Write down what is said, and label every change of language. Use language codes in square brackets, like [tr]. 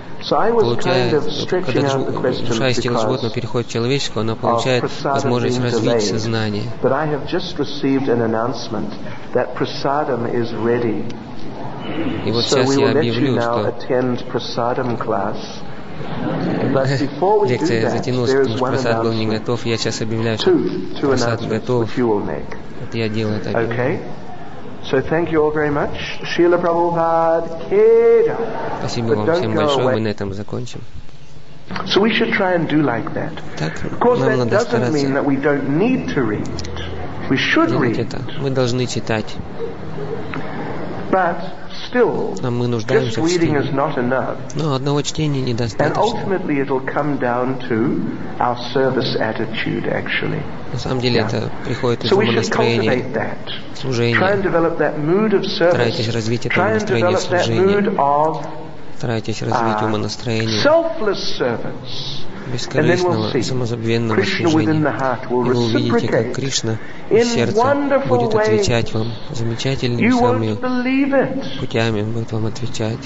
[en] So I was kind of stretching out the question because of prasadam being delayed. But I have just received an announcement that prasadam is ready. So we will let you now attend prasadam class. [ru] Лекция затянулась, потому что просад был не готов. Я сейчас объявляю, что просад готов. Вот я делаю это. [en] Okay. So thank you all very much. [hi] Шрила Прабхупада ки джай. [ru] Спасибо вам всем большое. Мы на этом закончим. [en] So we should try and do like that. [ru] Так, нам надо стараться. [en] That we don't need to read. We should read. [ru] Мы должны читать. [en] But still, just reading is not enough. [ru] Но одного чтения недостаточно. [en] And ultimately, it'll come down to our service attitude, actually. [ru] На самом деле, это приходит из ума настроения. [en] So we should cultivate that. [ru] Служение. [en] Try and develop that mood of service. [ru] Старайтесь развить это настроение служения. [en] mood of. [ru] Старайтесь развить ума настроения. [en] Selfless service. [ru] Бескорыстного, самозабвенного служения. И вы увидите, как Кришна из сердца будет отвечать вам замечательными самыми путями, будет вам отвечать.